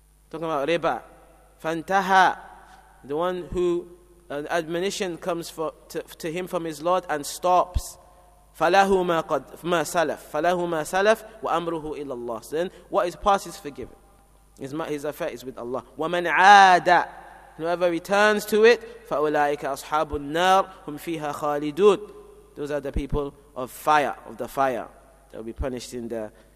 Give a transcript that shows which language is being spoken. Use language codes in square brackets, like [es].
[en] Talking about riba. فَانْتَهَى. The one who an admonition comes to him from his Lord and stops. [ar] فَلَهُ مَا قَدْ مَا سَلَفْ فَلَهُ مَا سَلَفْ وَأَمْرُهُ إِلَى اللَّهِ. [en] Then what is passed is forgiven. His affair is with Allah. [ar] وَمَنْ عَادَ. [en] Whoever returns to it, [ar] فَأُولَٰئِكَ أَصْحَابُ النَّارِ هُمْ فِيهَا خَالِدُونَ. [en] Those are the people of fire, of the fire. They'll be punished in there.